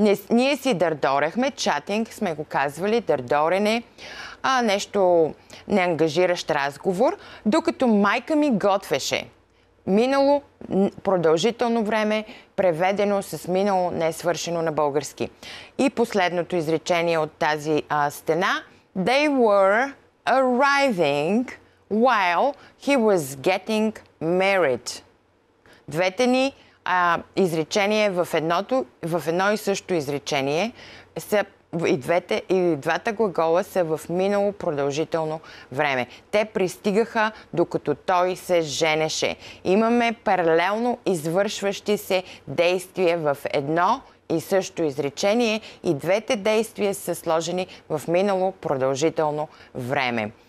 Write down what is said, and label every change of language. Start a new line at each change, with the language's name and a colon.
Bulgarian: Ние си дърдорехме, chatting сме го казвали, дърдорене, нещо неангажиращ разговор, докато майка ми готвеше. Минало продължително време, преведено с минало несвършено на български. И последното изречение от тази стена.
English: They were arriving while he was getting married.
Bulgarian: Двете ни изречение в едно и също изречение, са и двата глагола са в минало продължително време. Те пристигаха, докато той се женеше. Имаме паралелно извършващи се действия в едно и също изречение и двете действия са сложени в минало продължително време.